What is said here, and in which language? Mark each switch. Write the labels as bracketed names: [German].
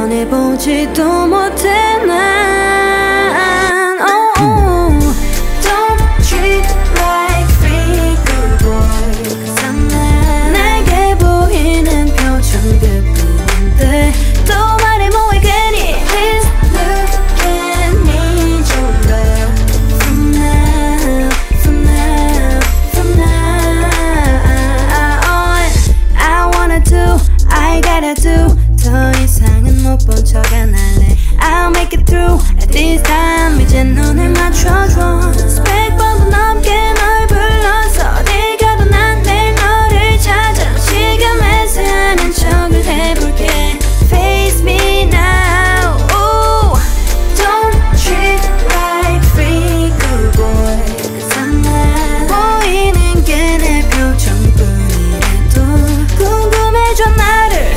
[Korean] 꺼내보지도 못해 난 oh, oh. [English] Don't treat like freaking boy Cause I'm mad [Korean] 내게 보이는 표정 그뿐인데 또 말해 뭐해 괜히 [English] Please look at me [Korean] 좀 봐 [English] From now, from now, from now on I wanna do, I gotta do [Korean] 더 이상은 못 본 척 안 할래 [English] I'll make it through at this time [Korean] 이제 눈을 맞춰줘 100번도 넘게 널 불러서 어디 가도 난 내일 너를 찾아 지금 애쓰는 척을 해볼게 [English] Face me now [Korean] Ooh. [English] Don't treat like freaking boy Cause I'm not [Korean] 보이는 게 내 표정뿐이라도 궁금해져 나를